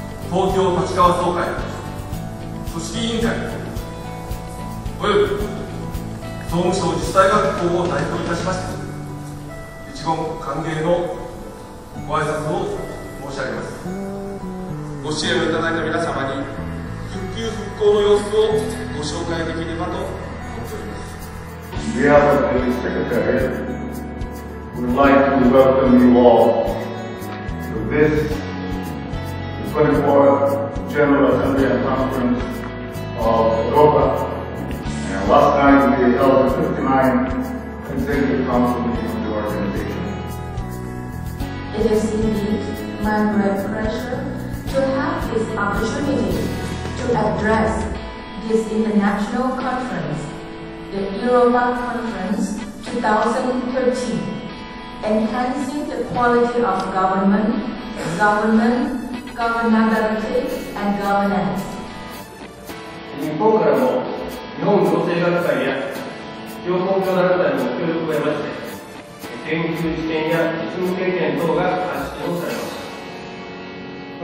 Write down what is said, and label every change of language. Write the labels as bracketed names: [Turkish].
[Japanese] 東京立川総会組織委員会および総務省自治体学校を代表いたしまして一言歓迎のご挨拶を申し上げます。ご支援をいただいた皆様に復旧復興の様子をご紹介できればと思っております。 [English] Dear Secretary, we would like to welcome you all to this 24th General Assembly and Conference of EROPA. And last time we held the 59th Consecutive Council meeting of the organization. It is indeed my great pleasure to have this opportunity to address this international conference, the EROPA Conference 2013, enhancing the quality of government, government, governability, and governance. [Japanese] 日本からも日本行政学会や地方公共団体の協力を得まして研究知見や実務経験等が発信をされました。